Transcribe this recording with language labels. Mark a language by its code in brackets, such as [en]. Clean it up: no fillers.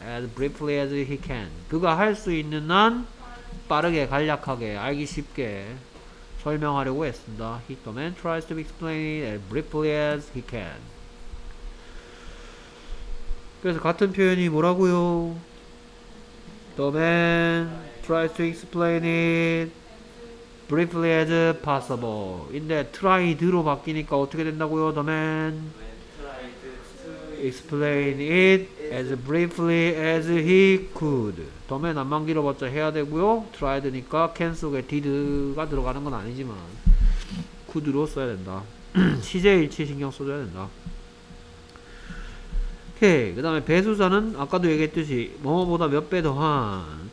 [en] As briefly as he can. [ko] 그가 할 수 있는 한 빠르게 간략하게 알기 쉽게 설명하려고 했습니다. [en] He, the man tries to explain it as briefly as he can. [ko] 그래서 같은 표현이 뭐라고요? [en] The man tries to explain it briefly as possible. [ko] 근데 tried로 바뀌니까 어떻게 된다고요? [en] The man explain it as briefly as he could. [ko] 덤에 남만 길어봤자 해야 되고요. tried니까 can 속에 did가 들어가는 건 아니지만 could로 써야 된다. 시제일치 신경 써줘야 된다. 오케이. 그 다음에 배수사는 아까도 얘기했듯이 뭐보다 몇 배 더한.